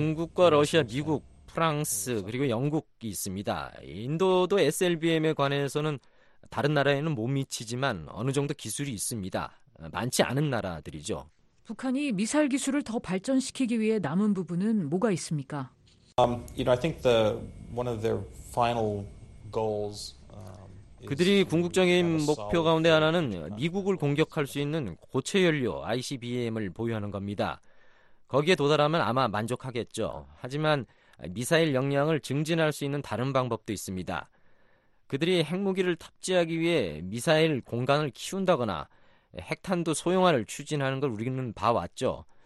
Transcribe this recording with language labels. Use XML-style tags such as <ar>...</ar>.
<ko>중국과 러시아, 미국, 프랑스 그리고 영국이 있습니다. 인도도 SLBM에 관해서는 다른 나라에는 못 미치지만 어느 정도 기술이 있습니다. 많지 않은 나라들이죠. 북한이 미사일 기술을 더 발전시키기 위해 남은 부분은 뭐가 있습니까?</ko> <en>You know, I think the one of their final goals</en> <ko>그들이 궁극적인 목표 가운데 하나는 미국을 공격할 수 있는 고체 연료 ICBM을 보유하는 겁니다. 거기에 도달하면 아마 만족하겠죠. 하지만 미사일 역량을 증진할 수 있는 다른 방법도 있습니다. 그들이 핵무기를 탑재하기 위해 미사일 공간을 키운다거나 핵탄두 소형화를 추진하는 걸 우리는 봐왔죠.</ko>